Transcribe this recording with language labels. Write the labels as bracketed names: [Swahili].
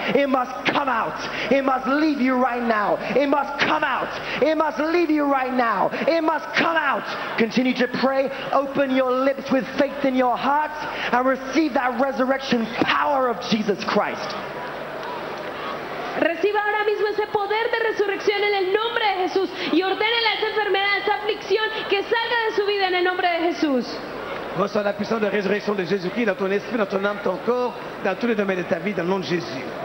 [English] It must come out. It must leave you right now. It must come out. It must leave you right now. It must come out. Continue to pray. Open your lips with faith in your heart and receive that resurrection power of Jesus Christ. [Spanish] Reciba ahora mismo ese poder de resurrección en el nombre de Jesús y ordénele a esa enfermedad, a esa aflicción que salga de su vida en el nombre de Jesús. [French] Reçois la puissance de résurrection de Jésus-Christ dans ton esprit, dans ton âme, ton corps, dans tous les domaines de ta vie, dans le nom de Jésus.